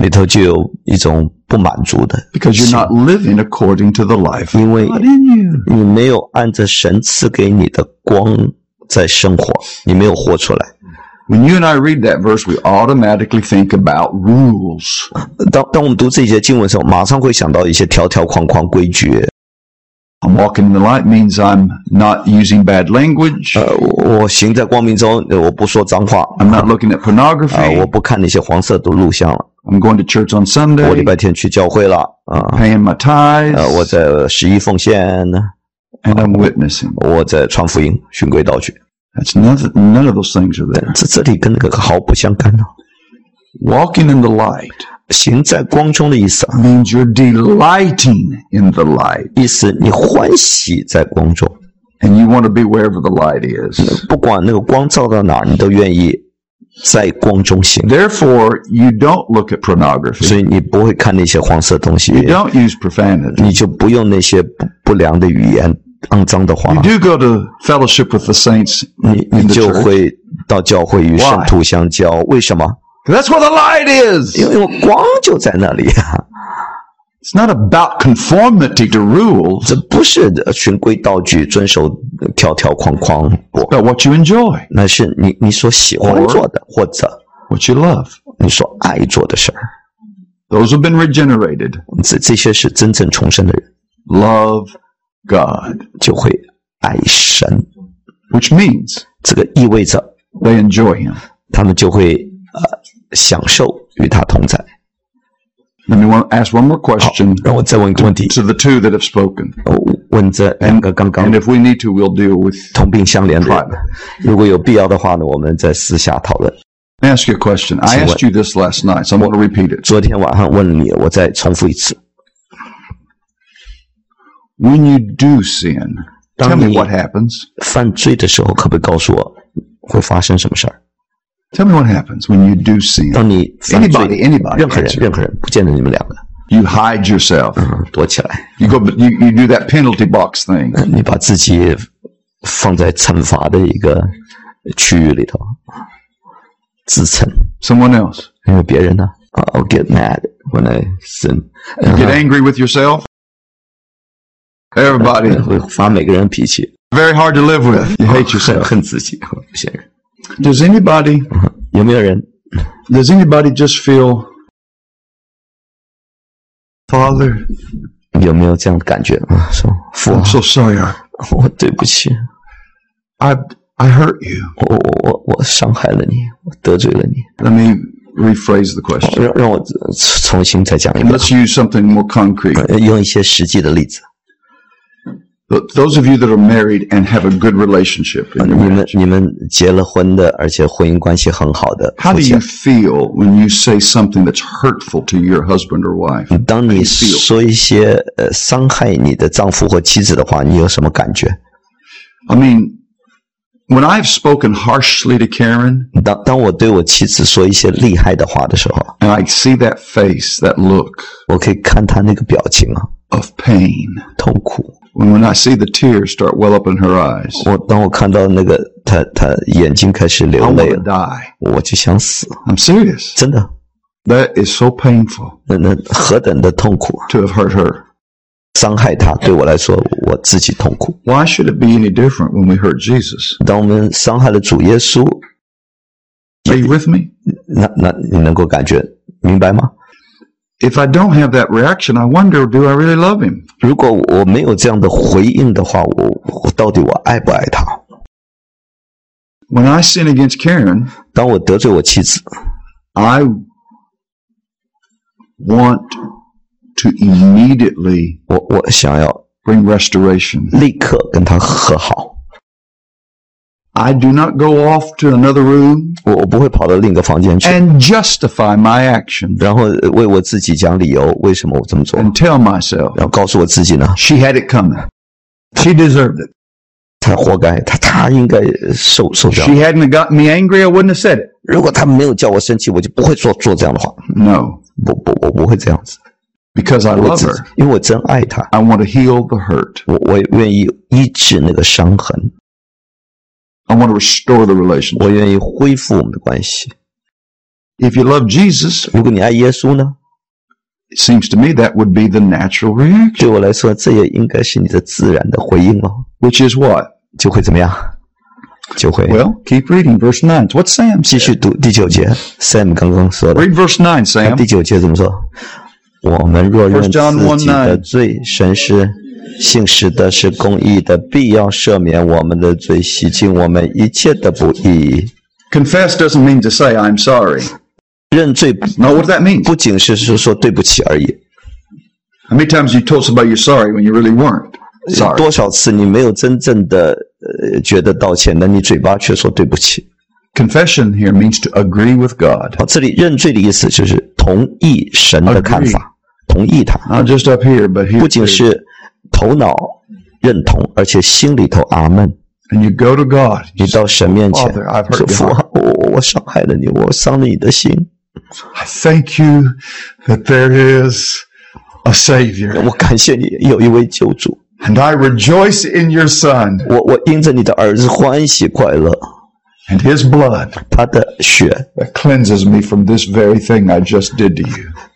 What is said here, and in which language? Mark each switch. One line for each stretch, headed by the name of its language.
Chinese: 里头就有一种不满足的。
English: Because you're not living according to the life.
Chinese: 因为你没有按着神赐给你的光在生活，你没有活出来。
English: When you and I read that verse, we automatically think about rules.
Chinese: 当我们读这些经文的时候，马上会想到一些条条框框规矩。
English: I'm walking in the light means I'm not using bad language.
Chinese: 我行在光明中，我不说脏话。
English: I'm not looking at pornography.
Chinese: 我不看那些黄色的录像了。
English: I'm going to church on Sunday.
Chinese: 我礼拜天去教会了。
English: Paying my tithes.
Chinese: 我在十一奉献。
English: And I'm witnessing.
Chinese: 我在传福音，循规蹈矩。
English: That's none of those things are there.
Chinese: 这里跟那个毫不相干的。
English: Walking in the light.
Chinese: 行在光中的意思。
English: Means you're delighting in the light.
Chinese: 意思你欢喜在光中。
English: And you want to be wherever the light is.
Chinese: 不管那个光照到哪儿，你都愿意。在光中行。
English: Therefore, you don't look at pornography.
Chinese: 所以你不会看那些黄色东西。
English: You don't use profanity.
Chinese: 你就不用那些不良的语言、肮脏的话。
English: You do go to fellowship with the saints.
Chinese: 你就会到教会与圣徒相交。
English: Why?
Chinese: 为什么？
English: That's where the light is.
Chinese: 因为光就在那里。
English: It's not about conformity to rules.
Chinese: 这不是循规蹈矩，遵守条条框框。
English: But what you enjoy.
Chinese: 那是你所喜欢做的，或者
English: what you love.
Chinese: 你所爱做的事儿。
English: Those have been regenerated.
Chinese: 这些是真正重生的人。
English: Love God.
Chinese: 就会爱神。
English: Which means.
Chinese: 这个意味着
English: they enjoy him.
Chinese: 他们就会享受与他同在。
English: Let me ask one more question.
Chinese: 好，让我再问一个问题。
English: To the two that have spoken.
Chinese: 问这两个刚刚。
English: And if we need to, we'll deal with
Chinese: 同病相怜的。如果有必要的话呢，我们再私下讨论。
English: Let me ask you a question. I asked you this last night, so I'm going to repeat it.
Chinese: 昨天晚上问你，我再重复一次。
English: When you do sin, tell me what happens.
Chinese: 犯罪的时候，可不可以告诉我会发生什么事儿？
English: Tell me what happens when you do sin.
Chinese: 当你犯罪
English: anybody,
Chinese: 任何人不见得你们两个。
English: You hide yourself.
Chinese: 躲起来。
English: You go, you do that penalty box thing.
Chinese: 你把自己放在惩罚的一个区域里头，自称。
English: Someone else.
Chinese: 因为别人呢
English: ？I'll get mad when I sin. You get angry with yourself. Everybody.
Chinese: 会发每个人脾气。
English: Very hard to live with. You hate yourself.
Chinese: 恨自己，不行。
English: Does anybody,
Chinese: 有没有人?
English: Does anybody just feel, Father,
Chinese: 有没有这样的感觉?
English: So, I'm so sorry.
Chinese: 我对不起。
English: I hurt you.
Chinese: 我伤害了你，我得罪了你。
English: Let me rephrase the question.
Chinese: 让我重新再讲一遍。
English: Let's use something more concrete.
Chinese: 用一些实际的例子。
English: But those of you that are married and have a good relationship, in your marriage,
Chinese: 你们结了婚的，而且婚姻关系很好的。
English: How do you feel when you say something that's hurtful to your husband or wife?
Chinese: 当你说一些伤害你的丈夫或妻子的话，你有什么感觉
English: ？I mean, when I've spoken harshly to Karen,
Chinese: 当我对我妻子说一些厉害的话的时候
English: ，and I see that face, that look,
Chinese: 我可以看她那个表情啊
English: ，of pain,
Chinese: 痛苦。
English: When I see the tears start well up in her eyes,
Chinese: 当我看到那个她眼睛开始流泪了，我就想死。
English: I'm serious.
Chinese: 真的。
English: That is so painful.
Chinese: 那何等的痛苦。
English: To have hurt her,
Chinese: 伤害她对我来说，我自己痛苦。
English: Why should it be any different when we hurt Jesus?
Chinese: 当我们伤害了主耶稣
English: ，Are you with me?
Chinese: 那你能够感觉明白吗？
English: If I don't have that reaction, I wonder, do I really love him?
Chinese: 如果我没有这样的回应的话，我到底我爱不爱他
English: ？When I sin against Karen,
Chinese: 当我得罪我妻子
English: ，I want to immediately
Chinese: 我想要
English: bring restoration,
Chinese: 立刻跟他和好。
English: I do not go off to another room.
Chinese: 我不会跑到另一个房间去。
English: And justify my actions.
Chinese: 然后为我自己讲理由，为什么我这么做。
English: And tell myself.
Chinese: 然后告诉我自己呢。
English: She had it coming. She deserved it.
Chinese: 她活该，她应该受这样。
English: She hadn't gotten me angry, I wouldn't have said it.
Chinese: 如果她没有叫我生气，我就不会做这样的话。
English: No.
Chinese: 我不会这样子。
English: Because I love her.
Chinese: 因为我真爱她。
English: I want to heal the hurt.
Chinese: 我愿意医治那个伤痕。
English: I want to restore the relationship.
Chinese: 我愿意恢复我们的关系。
English: If you love Jesus,
Chinese: 如果你爱耶稣呢
English: ？It seems to me that would be the natural reaction.
Chinese: 对我来说，这也应该是你的自然的回应了。
English: Which is what?
Chinese: 就会怎么样？就会。
English: Well, keep reading verse 9. What Sam?
Chinese: 继续读第九节。Sam 刚刚说的。
English: Read verse 9, Sam.
Chinese: 第九节怎么说？我们若认自己的罪，神是。信实的是公义的，必要赦免我们的罪，洗净我们一切的不义。
English: Confess doesn't mean to say I'm sorry.
Chinese: 认罪
English: No, what does that mean?
Chinese: 不仅是说对不起而已。
English: How many times you told somebody you're sorry when you really weren't? Sorry.
Chinese: 多少次你没有真正的觉得道歉，但你嘴巴却说对不起。
English: Confession here means to agree with God.
Chinese: 这里认罪的意思就是同意神的看法，同意他。
English: Not just up here, but here.
Chinese: 不仅是头脑认同，而且心里头阿门。
English: And you go to God,
Chinese: 你到神面前
English: Father, I've hurt
Chinese: 说父啊，我伤害了你，我伤了你的心。
English: I thank you that there is a Savior.
Chinese: 我感谢你有一位救主。
English: And I rejoice in your Son.
Chinese: 我因着你的儿子欢喜快乐。
English: And His blood,
Chinese: 他的血
English: that cleanses me from this very thing I just did to you.